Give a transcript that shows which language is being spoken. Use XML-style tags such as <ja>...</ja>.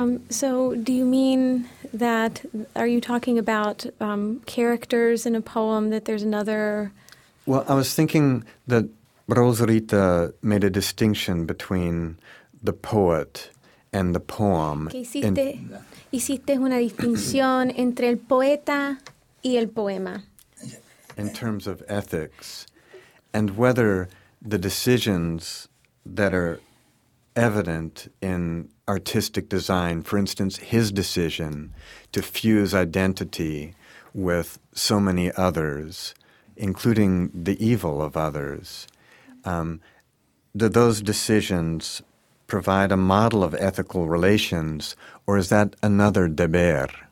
<en>So do you mean that, are you talking about characters in a poem, that there's another? Well, I was thinking that Rosarita made a distinction between the poet and the poem.</en> <es>Hiciste una distinción entre el poeta y el poema.</es> <en>In terms of ethics, and whether the decisions that are evident in artistic design, for instance, his decision to fuse identity with so many others, including the evil of others, do those decisions provide a model of ethical relations, or is that another deber?</en>